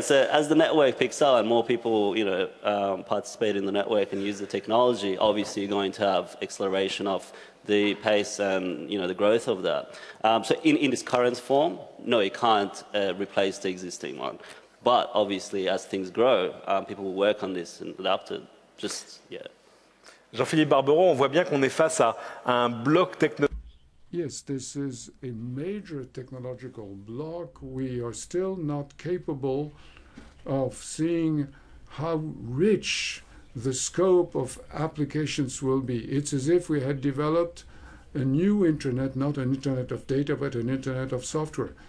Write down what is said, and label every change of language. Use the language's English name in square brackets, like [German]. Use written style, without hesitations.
[English] So as the network picks up and more people, you know, participate in the network and use the technology, obviously you're going to have acceleration of the pace and, you know, the growth of that. So in this current form, no, it can't replace the existing one. But obviously, as things grow, people will work on this and adapt it. Just yeah. [French] Jean-Philippe Barberot, on voit bien qu'on est face à un bloc technologique. [English] Yes, this is a major technological block. We are still not capable of seeing how rich the scope of applications will be. It's as if we had developed a new internet, not an internet of data, but an internet of software.